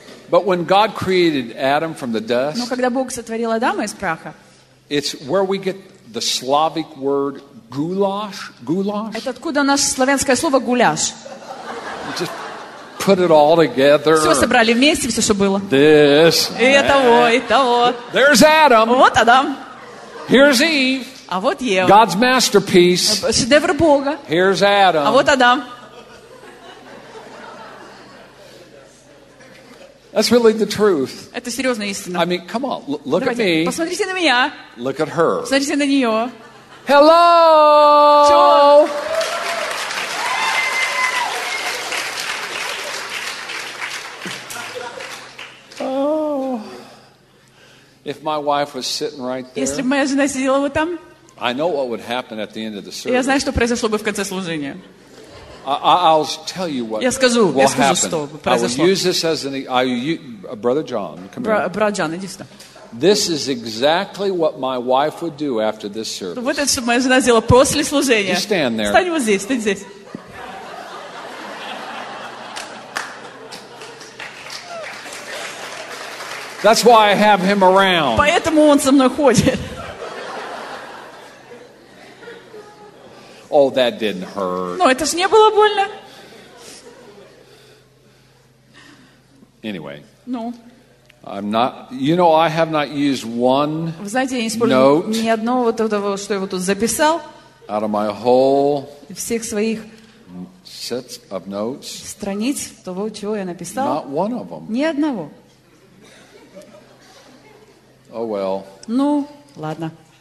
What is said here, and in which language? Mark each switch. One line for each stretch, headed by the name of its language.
English: But when God created Adam from the dust,
Russian: но когда Бог сотворил Адама из праха,
English: it's where we get the Slavic word goulash. Goulash.
Russian: Это откуда у нас славянское слово гуляш?
English: Just put it all together.
Russian: Все собрали вместе, все, что было.
English: This.
Russian: И того, и того.
English: There's Adam.
Russian: Вот Адам.
English: Here's Eve.
Russian: А вот Ева.
English: God's masterpiece.
Russian: Шедевр Бога.
English: Here's Adam.
Russian: А вот Адам.
English: That's really the truth.
Russian: Это серьезная истина.
English: I mean, come on, look
Russian: Давайте,
English: at me.
Russian: Посмотрите на меня.
English: Look at her.
Russian: Посмотрите на нее.
English: Hello.
Russian: Чего?
English: If my wife was sitting right there,
Russian: если бы моя жена сидела вот там,
English: I know what would happen at the end of the service.
Russian: Я знаю, что произошло бы в конце служения.
English: I'll tell you what
Russian: я скажу,
English: will
Russian: я скажу,
English: happen.
Russian: Что произошло.
English: I will use this as an brother John, come here.
Russian: Брат Джон, иди сюда.
English: This is exactly what my wife would do after this service.
Russian: Вот это, что моя жена сделала после служения.
English: You stand there.
Russian: Встань вот здесь, стань здесь.
English: That's why I have him around.
Russian: Поэтому он со мной ходит.
English: Oh, that didn't hurt.
Russian: Но это ж не было больно.
English: Anyway.
Russian: Ну.
English: I'm not. You know, I have not used one.
Russian: Вы знаете, я не использовал ни одного вот этого, что я вот тут записал.
English: Out of my whole.
Russian: Всех своих.
English: Sets of notes.
Russian: Страниц того, чего я написал.
English: Not one of them.
Russian: Ни одного.
English: Oh well.
Russian: Ну, ладно.